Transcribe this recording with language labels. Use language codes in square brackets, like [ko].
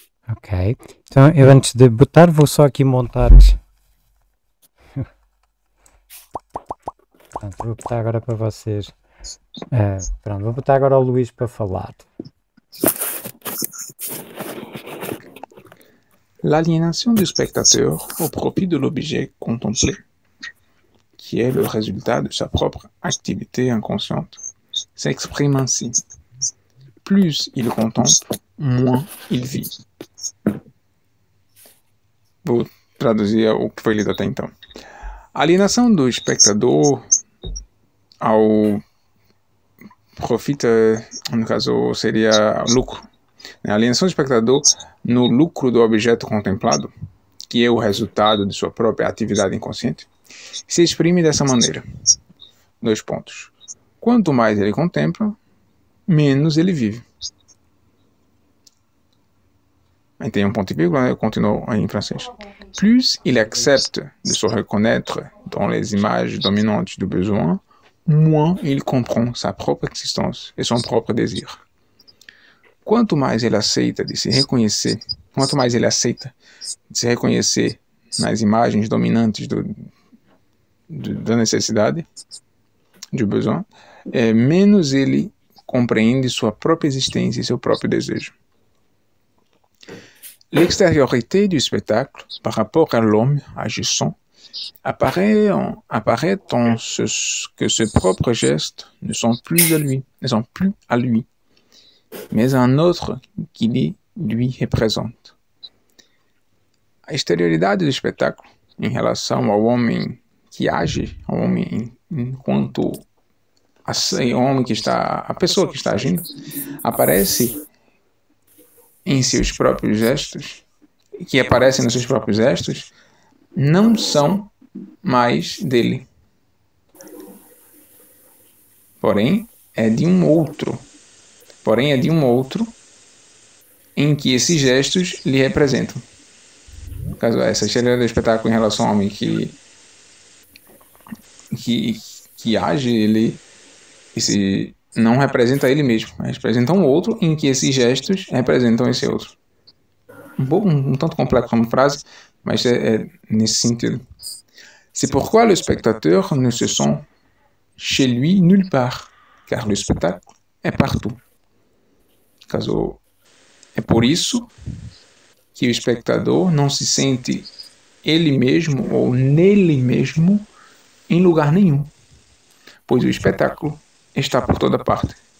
[pt] Ok. Então, eu antes de botar, vou só aqui montar. Pronto, vou botar agora para vocês. Pronto, vou botar agora o Luís para falar. [fr] L'aliénation du spectateur au profit de l'objet contemplé, qui est le résultat de sa propre activité inconsciente, s'exprime ainsi. Plus il contemple, moins il vit. [pt] Vou traduzir o que foi lido até então. A alienação do espectador ao profit, no caso seria lucro. A alienação do espectador no lucro do objeto contemplado, que é o resultado de sua própria atividade inconsciente, se exprime dessa maneira. Dois pontos. Quanto mais ele contempla, menos ele vive. Aí tem um ponto e vírgula, eu continuo aí em francês. [fr] Plus il accepte de se reconnaître dans les images dominantes du besoin, moins il comprend sa propre existence et son propre désir. [pt] Quanto mais ele aceita de se reconhecer, quanto mais ele aceita de se reconhecer nas imagens dominantes da necessidade, do besoin, menos ele compreende sua própria existência e seu próprio desejo. [fr] L'extériorité du spectacle par rapport à l'homme agissant apparaît en ce que ses propres gestes ne sont plus à lui, mais à un autre qui lui représente. [pt] A exterioridade do espetáculo em relação ao homem que age, ao homem enquanto assim, o homem que está, a pessoa que está agindo, aparece em seus próprios gestos, que aparecem nos seus próprios gestos, não são mais dele. Porém, é de um outro. Porém, é de um outro em que esses gestos lhe representam. No caso, essa história do espetáculo em relação ao homem que age, ele esse, não representa ele mesmo, mas representa um outro em que esses gestos representam esse outro. Um tanto complexo como frase, mas é nesse sentido. [fr] C'est pourquoi le spectateur ne se sent chez lui nulle part, car le spectacle est partout. [pt] Caso, é por isso que o espectador não se sente ele mesmo ou nele mesmo em lugar nenhum, pois o espetáculo está por toda parte.